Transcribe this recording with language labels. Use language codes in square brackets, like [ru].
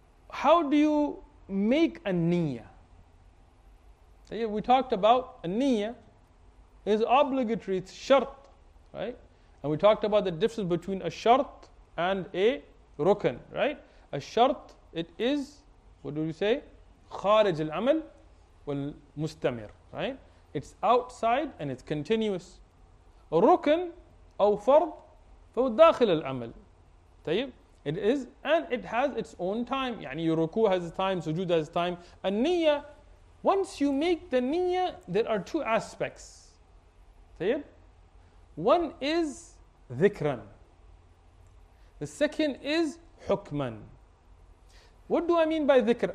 [en] How do you make a niyyah? [ar] طيب, [en] we talked about a niyyah is obligatory, it's shart, right? And we talked about the difference between a shart and a rukn, right? A shart, it is, what do you say? [ar] خارج العمل والمستمر, [en] right? It's outside and it's continuous. [ar] Rukn أو فرض فهو داخل العمل. طيب, [en] it is and it has its own time. [ar] يعني [en] your ركوع has its time, sujood has its time. النية, once you make the نية, there are two aspects. [ar] طيب, [en] one is ذكرًا. The second is حكمًا. What do I mean by ذكر?